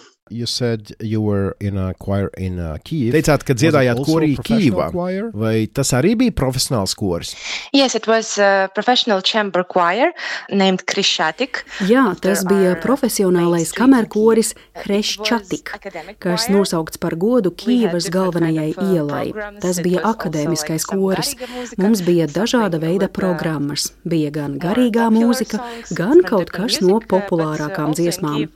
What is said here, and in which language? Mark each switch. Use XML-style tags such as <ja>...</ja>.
<en>You said you were in a choir in Kyiv.</en> <lv>Teicāt, ka dziedājāt korī Kīvā. Vai tas arī bija profesionāls kors?</lv> <en>Yes, it was a professional chamber choir named Krishatik.</en> <lv>Jā, tas bija profesionālais kamerkoris Krishatik, kas nosaukts par godu Kīvas galvenajai ielai. Tas bija akadēmiskais kors. Mums bija dažāda veida programmas. Bija gan garīgā mūzika, gan kaut kas no populārākām dziesmām.</lv>